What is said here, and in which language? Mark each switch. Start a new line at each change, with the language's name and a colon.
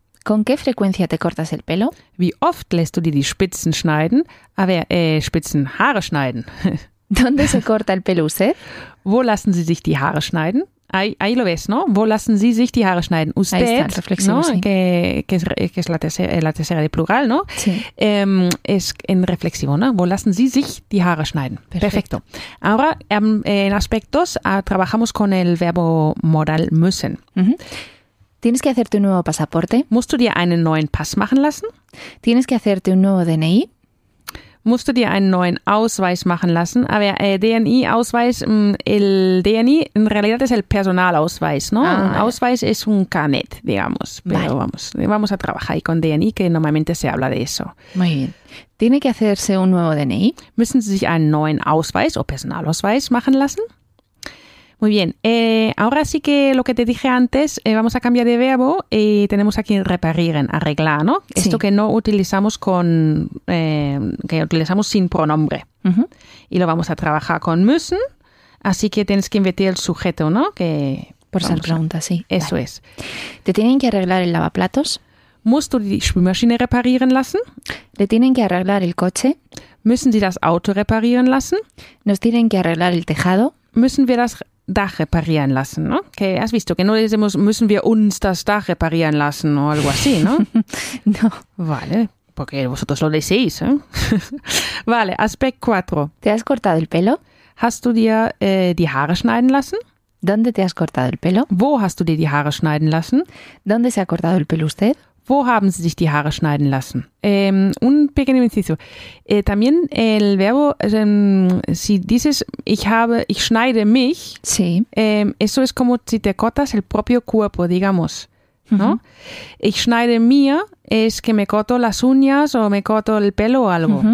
Spanish: ¿Con qué frecuencia te cortas el pelo?
German: Wie oft lässt du dir die Spitzen schneiden?
Spanish: A ver,
German: Spitzen, Haare schneiden.
Spanish: ¿Dónde se corta el pelo usted?
German: Wo lassen Sie sich die Haare schneiden?
Spanish: Ahí lo ves, ¿no?
German: Wo lassen Sie sich die Haare schneiden?
Spanish: Usted, ahí está, reflexivo, ¿no? Sí. Que es la tercera de plural, ¿no? Sí. Es en reflexivo, ¿no?
German: Wo lassen Sie sich die Haare schneiden?
Spanish: Perfecto. Ahora, en aspectos, trabajamos con el verbo modal müssen. ¿Tienes que hacerte un nuevo pasaporte?
German: ¿Musst du dir einen neuen Pass machen lassen?
Spanish: ¿Tienes que hacerte un nuevo DNI?
German: ¿Musst du dir einen neuen Ausweis machen lassen?
Spanish: A ver, DNI, Ausweis, el DNI en realidad es el Personalausweis, ¿no? Ausweis es un carnet, digamos. Pero vale. Vamos a trabajar ahí con DNI, que normalmente se habla de eso. Muy bien. ¿Tiene que hacerse un nuevo DNI?
German: ¿Müssen Sie sich einen neuen Ausweis o Personalausweis machen lassen?
Spanish: Muy bien. Ahora sí que lo que te dije antes, vamos a cambiar de verbo y tenemos aquí reparieren, arreglar, ¿no? Sí. Esto que no utilizamos con, que utilizamos sin pronombre. Y lo vamos a trabajar con müssen, así que tienes que invertir el sujeto, ¿no? Que por ser pregunta, sí. Eso es. ¿Te tienen que arreglar el lavaplatos?
German: ¿Musst du die Spülmaschine reparieren lassen?
Spanish: ¿Le tienen que arreglar el coche?
German: ¿Müssen sie das Auto reparieren lassen?
Spanish: ¿Nos tienen que arreglar el tejado?
German: ¿Müssen wir das Dach reparieren lassen,
Spanish: ¿no? Que has visto que no decimos
German: müssen wir uns das Dach reparieren lassen
Spanish: o algo así, ¿no? No. Vale, porque vosotros lo decís, ¿eh? Vale, aspect 4. ¿Te has cortado el pelo?
German: ¿Hast du dir die Haare schneiden lassen?
Spanish: ¿Dónde te has cortado el pelo?
German: ¿Wo hast du dir die Haare schneiden lassen?
Spanish: ¿Dónde se ha cortado el pelo usted?
German: ¿Wo haben Sie sich die Haare schneiden lassen?
Spanish: Un pequeño inciso. También el verbo, si dices
German: ich schneide mich,
Spanish: sí. Eso es como si te cortas el propio cuerpo, digamos, ¿no?
German: Ich schneide mir
Spanish: es que me corto las uñas o me corto el pelo o algo.